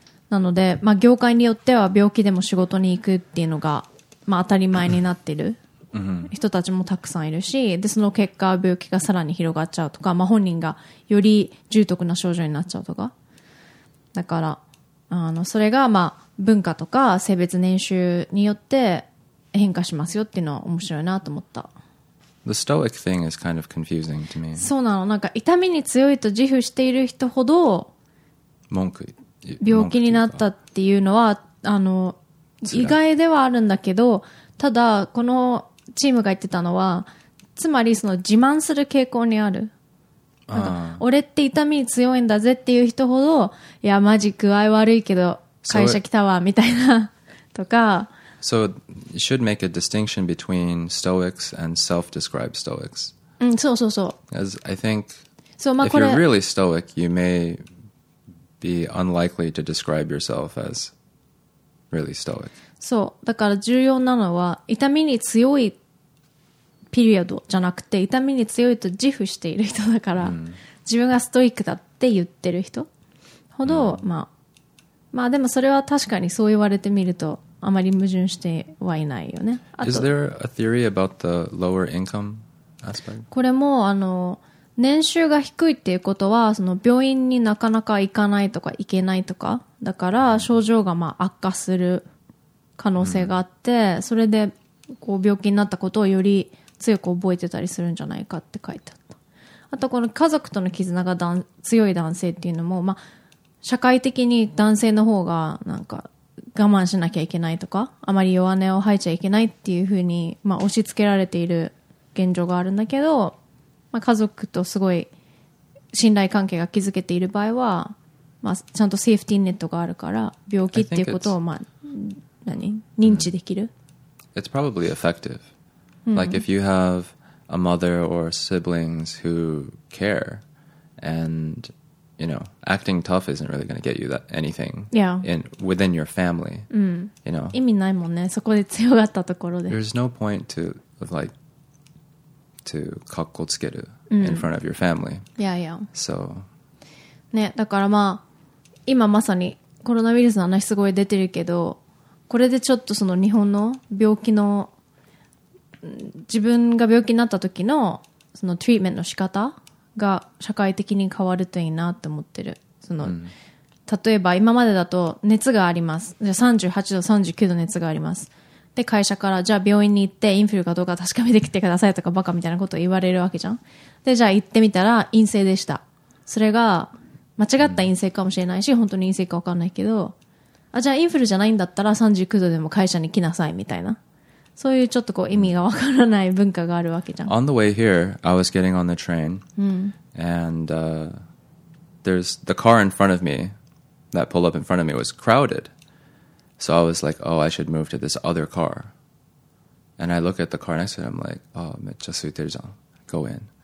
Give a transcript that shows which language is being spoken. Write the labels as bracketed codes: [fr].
[ja] なので、まあ、業界によっては病気でも仕事に行くっていうのが、まあ、当たり前になっている人たちもたくさんいるし、でその結果病気がさらに広がっちゃうとか、まあ、本人がより重篤な症状になっちゃうとか、だからそれがまあ文化とか性別年収によって変化しますよっていうのは面白いなと思った。 [en] The stoic thing is kind of confusing to me. [ja] そうなの。なんか痛みに強いと自負している人ほど文句、病気になったっていうのは意外ではあるんだけど、ただこのチームが言ってたのは、つまりその自慢する傾向にある。なんか俺って痛みに強いんだぜっていう人ほど、いやマジ具合悪いけど会社来たわみたいなとか。 [en] So it should make a distinction between stoics and self-described stoics. [ja] そうそうそう。 [en] As I think if you're really stoic, you may be unlikely to describe yourself as really stoic. [ja] そう、だから重要なのは痛みに強いピリオドじゃなくて、痛みに強いと自負している人だから、自分がストイックだって言ってる人ほど、まあでもそれは確かにそう言われてみるとあまり矛盾してはいないよね。あと、 [en] Is there a theory about the lower income aspect? [ja] これも年収が低いっていうことは、その病院になかなか行かないとか行けないとか、だから症状がまあ悪化する可能性があって、それでこう病気になったことをより強く覚えてたりするんじゃないかって書いてあった。あとこの家族との絆が強い男性っていうのも、まあ社会的に男性の方がなんか我慢しなきゃいけないとか、あまり弱音を吐いちゃいけないっていうふうに、まあ、押し付けられている現状があるんだけど、まあ、家族とすごい信頼関係が築けている場合は、まあ、ちゃんとセーフティーネットがあるから病気っていうことを、まあ、何認知できる。 [en] It's probably effective. Like if you have a mother or siblings who care andYou know, acting tough isn't really going to get you that anything in within your family. You know, [ja] 意味ないもんね。そこで強がったところで。 [en] There's no point to like to [ja] かっこつける [en] in front of your family. Yeah, yeah. So, [ja] ね、だからまあ今まさにコロナウイルスの話すごい出てるけど、これでちょっとその日本の病気の、自分が病気になった時のそのトリートメントの仕方が社会的に変わるといいなって思ってる。その、うん、例えば今までだと熱があります、じゃあ38度39度熱があります、で会社からじゃあ病院に行ってインフルかどうか確かめてきてくださいとかバカみたいなことを言われるわけじゃん。でじゃあ行ってみたら陰性でした、それが間違った陰性かもしれないし、うん、本当に陰性か分かんないけど、あじゃあインフルじゃないんだったら39度でも会社に来なさいみたいな、そういうちょっとこう意味がわからない文化があるわけじゃん。 [en] On the way here, I was getting on the train、うん、and、there's the car in front of me that pulled up in front of me was crowded. So I was like, oh, I should move to this other car. And I look at the car next to it, I'm like, oh, [ja] めっちゃ空いてるじゃん、 [en] go in.